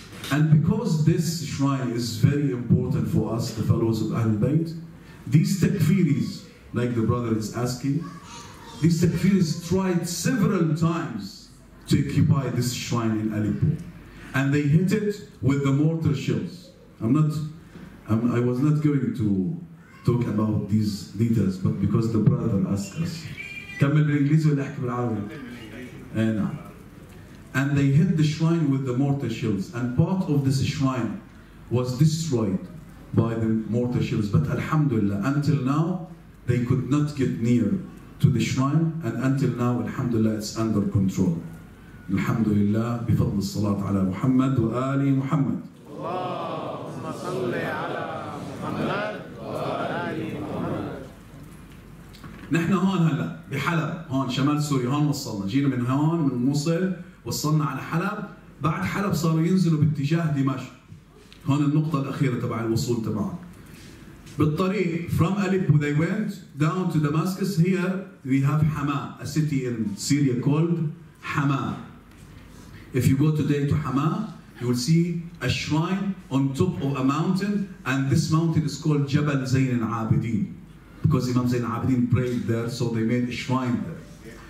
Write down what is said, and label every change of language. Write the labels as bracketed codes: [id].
[en] And because this shrine is very important for us, the fellows of Ahlul Bayt, these takfiris, like the brother is asking, these takfiris tried several times to occupy this shrine in Aleppo. And they hit it with the mortar shells. I was not going to talk about these details, but because the brother asked us. [ar] كمل بالإنجليزي ولا أحكي بالعربي؟ نعم. [en] And they hit the shrine with the mortar shells, and part of this shrine was destroyed by the mortar shells. But Alhamdulillah, until now, they could not get near to the shrine, and until now, Alhamdulillah, it's under control. [ar] Alhamdulillah, بفضل الصلاة على محمد وآل محمد. اللهم صل على محمد وآل محمد. نحن هون هلا بحلب، هون شمال سوريا، هون وصلنا، جينا من هون من موصل، وصلنا على حلب، بعد حلب صاروا ينزلوا باتجاه دمشق. هون النقطة الأخيرة تبع الوصول تبعك. بالطريق [en] from Aleppo they went down to Damascus. Here we have Hama, a city in Syria called Hama. If you go today to Hama, you will see a shrine on top of a mountain, and this mountain is called Jabal Zain al-Abidin, because Imam Zain al-Abidin prayed there, so they made a shrine there.